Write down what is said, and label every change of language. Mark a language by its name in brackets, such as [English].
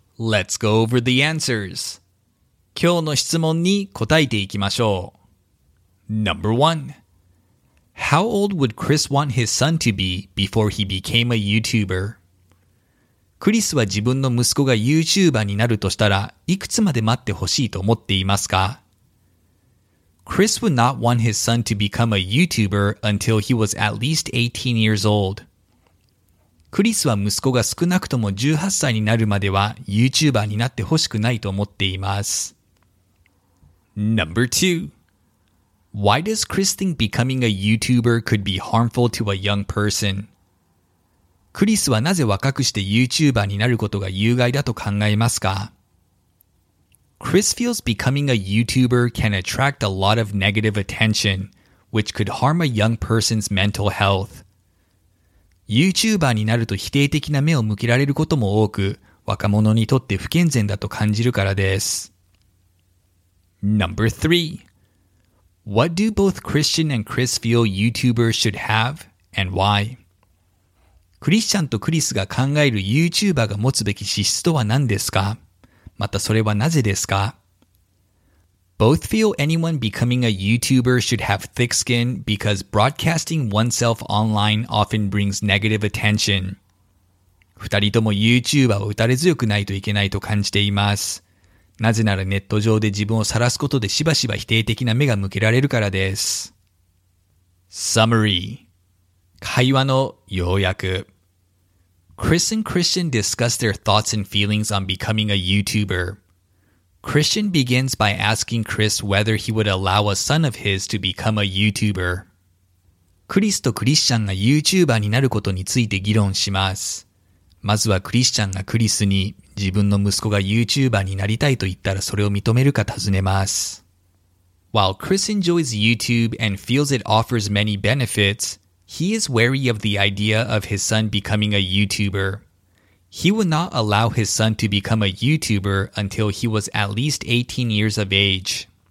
[English] Let's go over the answers. [Japanese] 今日の質問に答えていきましょう。 [English] Number 1. How old would Chris want his son to be before he became a YouTuber? [Japanese] クリスは自分の息子が YouTuber になるとしたらいくつまで待ってほしいと思っていますか? [English] Chris would not want his son to become a YouTuber until he was at least 18 years old. [Japanese] クリスは息子が少なくとも18歳になるまでは YouTuber になってほしくないと思っています。 [English] Number 2. Why does Chris think becoming a YouTuber could be harmful to a young person? [Japanese] クリスはなぜ若くして YouTuber になることが有害だと考えますか? [English] Chris feels becoming a YouTuber can attract a lot of negative attention, which could harm a young person's mental health. [Japanese] YouTuber になると否定的な目を向けられることも多く、若者にとって不健全だと感じるからです。 [English] Number 3. What do both Christian and Chris feel YouTubers should have, and why? [Japanese] クリスチャンとクリスが考える YouTuber が持つべき資質とは何ですか? またそれはなぜですか? [English] Both feel anyone becoming a YouTuber should have thick skin because broadcasting oneself online often brings negative attention. [Japanese] 二人とも YouTuber を打たれ強くないといけないと感じています。なぜならネット上で自分を晒すことでしばしば否定的な目が向けられるからです。 [English] Summary [Japanese] 会話の要約 [English] Chris and Christian discuss their thoughts and feelings on becoming a YouTuber. Christian begins by asking Chris whether he would allow a son of his to become a YouTuber. [Japanese] クリスとクリスチャンが YouTuber になることについて議論します。まずはクリスチャンがクリスに自分の息子が YouTuber になりたいと言ったらそれを認めるか尋ねます。 [English] While Chris enjoys YouTube and feels it offers many benefits, he is wary of the idea of his son becoming a YouTuber. He would not allow his son to become a YouTuber until he was at least 18 years of age.